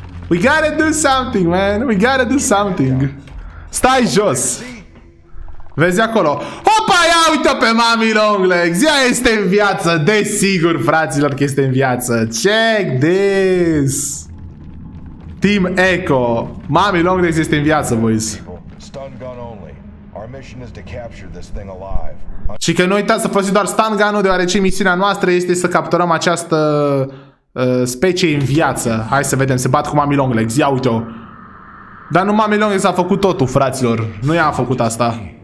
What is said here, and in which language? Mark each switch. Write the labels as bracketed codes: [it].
[en] We gotta do something, man. We gotta do something. [ro] Stai jos. Vezi acolo. Hopa, ia uite pe Mami Longlegs. Ea este în viață. Desigur, fraților, că este în viață. [en] Check this. [ro] Team Echo. Mami Longlegs este în viață, boys. [en] Stun gun only. Our mission is to capture this thing alive. [ro] Și că nu uitați să folosim doar stun gun-ul, deoarece misiunea noastră este să capturăm această specie în viață. Hai să vedem, se bat cu Mami Longlegs, ia uite-o. Dar nu Mami Longlegs a făcut totul, fraților. Nu i-a făcut asta.